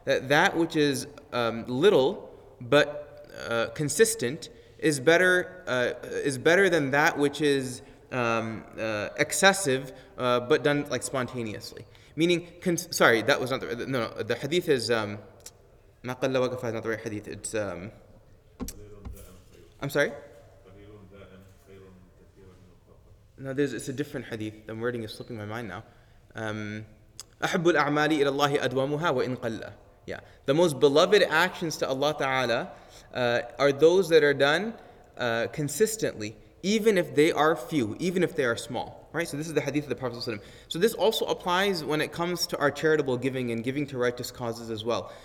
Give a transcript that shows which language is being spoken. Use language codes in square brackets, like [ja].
[en] That which is little but consistent is better than that which is excessive, but done like spontaneously. Meaning, the hadith is, ما قل وقف is not the right hadith, it's, I'm sorry? No, it's a different hadith, the wording is slipping my mind now. [ar] أحب الأعمال إلى الله أدومها وإن قل. [en] Yeah, the most beloved actions to Allah Ta'ala are those that are done consistently, even if they are few, even if they are small, right? So this is the hadith of the Prophet ﷺ. So this also applies when it comes to our charitable giving and giving to righteous causes as well.